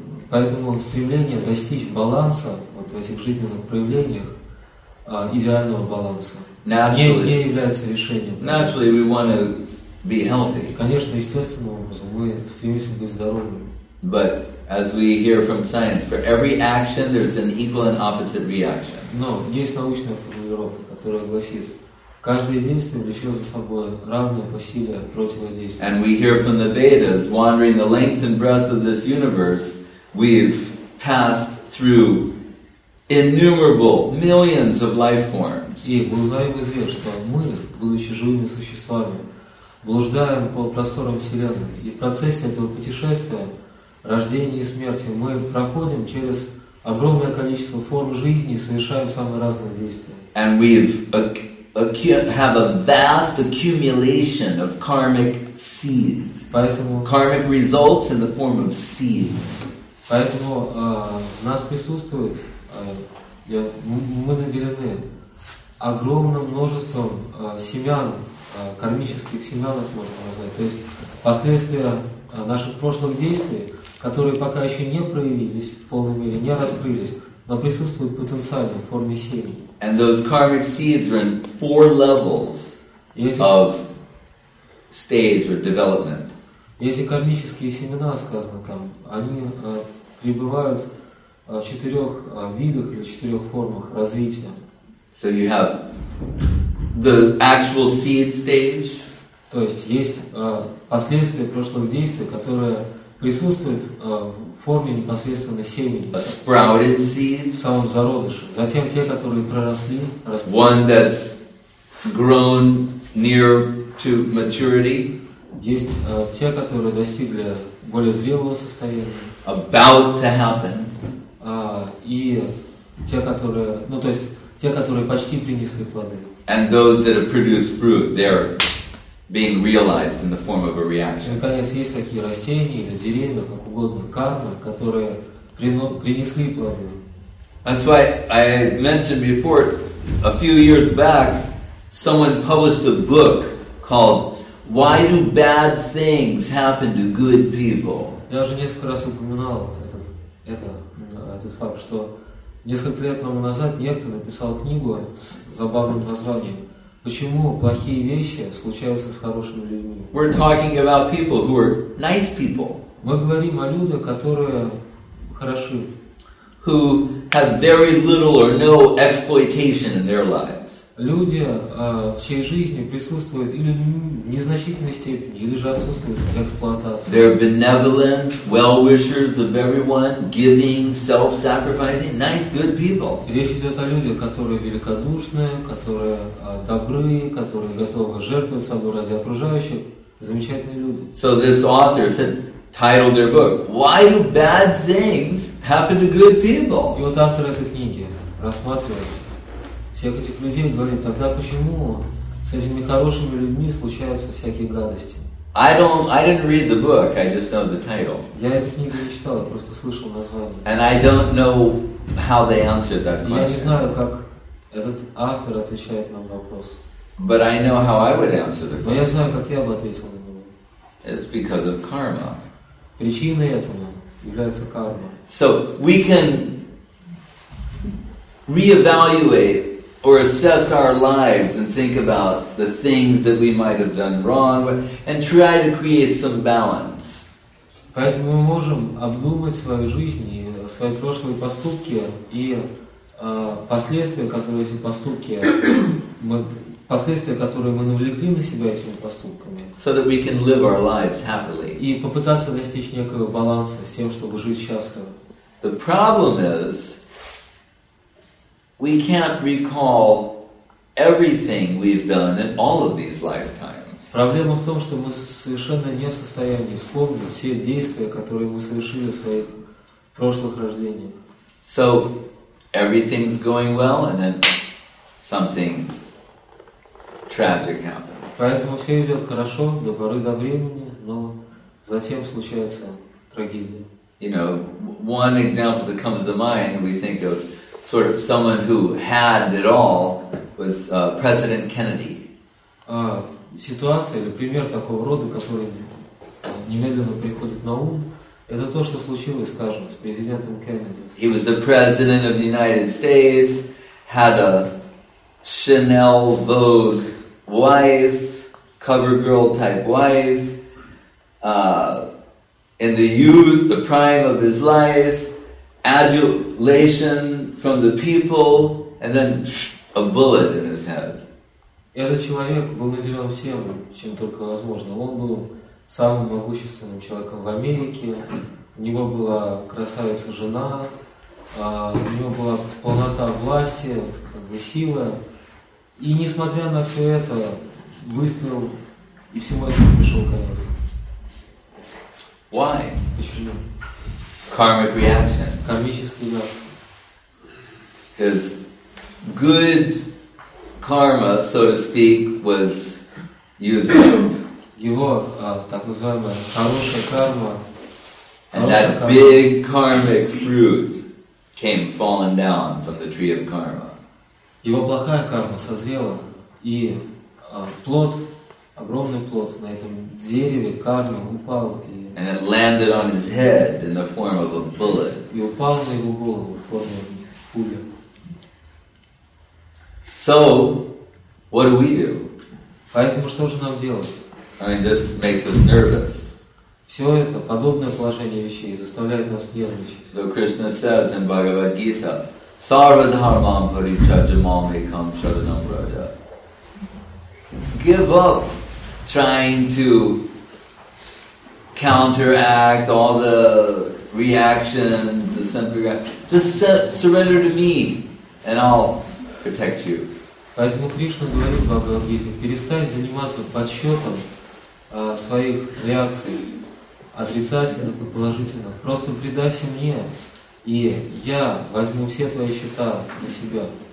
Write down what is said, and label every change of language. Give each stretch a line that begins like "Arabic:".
Russian: Поэтому стремление достичь баланса вот в этих жизненных проявлениях, идеального баланса, не является решением.
English: Naturally, we want to be healthy.
Russian: Конечно, естественным образом мы стремимся быть здоровыми.
English: But as we hear from science, for every action there's an equal and opposite reaction.
Russian: Но есть научная формулировка, которая гласит, каждое действие влечет за собой равное по силе противодействие.
English: And we hear from the Vedas, wandering the length and breadth of this universe, we've passed through innumerable millions of life forms.
Russian: И мы знаем из них, что мы, будучи живыми существами, блуждаем по просторам Вселенной. И в процессе этого путешествия, рождения и смерти, мы проходим через огромное количество форм жизни и совершаем самые разные действия.
English: And we've have a vast accumulation of karmic seeds.
Russian: Поэтому
English: karmic results in the form of seeds.
Russian: Поэтому у нас присутствует, мы наделены огромным множеством семян, кармических семян, их можно назвать. То есть последствия наших прошлых действий, которые пока еще не проявились в полной мере, не раскрылись, но присутствуют потенциально в форме семени.
English: And those karmic seeds are in four levels of stage or development.
Russian: Эти кармические семена, сказано там, они пребывают в четырех видах или четырех формах развития.
English: So you have the actual seed stage.
Russian: То есть есть последствия прошлых действий, которые присутствуют в форме непосредственно семени.
English: A sprouted seed.
Russian: В самом зародыше. Затем те, которые проросли, растут.
English: One that's grown near to maturity.
Russian: Есть те, которые достигли более зрелого состояния.
English: About to happen.
Russian: И те, которые, то есть те, которые почти принесли плоды.
English: And those that have produced fruit, they're being realized in the form of a reaction.
Russian: Наконец, есть такие растения или деревья, как угодно, карма, которые принесли плоды.
English: That's why I mentioned before, a few years back, someone published a book called Why Do Bad Things Happen to Good People?
Russian: Я уже несколько раз упоминал этот факт, что несколько лет тому назад некто написал книгу с забавным названием «Почему плохие вещи случаются с хорошими людьми?»
English: We're talking about people who are nice people.
Russian: Мы говорим о людях, которые хороши.
English: Who have very little or no exploitation in their lives.
Russian: Люди, в чьей жизни присутствует или в незначительной степени, или же отсутствует эксплуатация.
English: They're benevolent, well-wishers of everyone, giving, self-sacrificing, nice, good people.
Russian: Речь идет о людях, которые великодушные, которые добрые, которые готовы жертвовать собой ради окружающих. Замечательные люди.
English: So this author said, titled their book, Why Do Bad Things Happen to Good People?
Russian: И вот автор этой книги рассматривает всех этих людей, говорит, тогда почему с этими хорошими людьми случаются всякие гадости.
English: I didn't read the book, I just know the title.
Russian: Я эту книгу не читал, я просто слышал название.
English: And I don't know how they answered that question.
Russian: Я не знаю, как этот автор отвечает на вопрос.
English: But I know how I would answer the question.
Russian: Но я знаю, как я бы ответил на него.
English: It's because of karma.
Russian: Причиной этому является карма.
English: So we can reevaluate or assess our lives and think about the things that we might have done wrong and try to create some balance.
Russian: Поэтому мы можем обдумать свою жизнь и свои прошлые поступки и последствия, которые эти поступки последствия, которые мы навлекли на себя этими поступками.
English: So that we can live our lives happily.
Russian: И попытаться достичь некого баланса с тем, чтобы жить счастливо.
English: The problem is we can't recall everything we've done in all of these lifetimes.
Russian: Проблема в том, что мы совершенно не в состоянии вспомнить все действия, которые мы совершили в своих прошлых рождениях.
English: So everything's going well and then something tragic happens.
Russian: Поэтому все идет хорошо до поры до времени, но затем случается трагедия.
English: You know, one example that comes to mind, we think of sort of someone who had it all, was President Kennedy.
Russian: Ситуация или пример такого рода, который немедленно приходит на ум, это то, что случилось, скажем, с президентом Кеннеди.
English: He was the president of the United States, had a Chanel Vogue wife, cover girl type wife, in the youth, the prime of his life, adulation from the people, and then a bullet in his head.
Russian: Этот человек был наделен всем, чем только возможно. Он был самым могущественным человеком в Америке. У него была красавица жена, у него была полнота власти, как бы сила. И несмотря на все это, выстрел, и всему этому пришел конец.
English: Why?
Russian: Почему?
English: Karmic reaction.
Russian: Кармический реакция.
English: His good karma, so to speak, was used up.
Russian: Его так называемая хорошая карма.
English: And that big karmic fruit came falling down from the tree of karma.
Russian: Его плохая карма созрела, и плод, огромный плод на этом дереве кармы упал.
English: And it landed on his head in the form of a bullet.
Russian: И упал на его голову в форме пули.
English: So, what do we do?
Russian: Поэтому что же нам делать?
English: I mean, this makes us nervous.
Russian: Все это, подобное положение вещей, заставляет нас нервничать.
English: So Krishna says in Bhagavad Gita,
Sanskrit: Sarva dharmam parityajamam ekam charanam raja.
English: Give up trying to counteract all the reactions, the sympathy. Just surrender to me and I'll protect you.
Russian: Поэтому Кришна говорит в Бхагавад Гите, перестань заниматься подсчетом своих реакций, отрицательных и положительных. Просто предайся мне, и я возьму все твои счета на себя.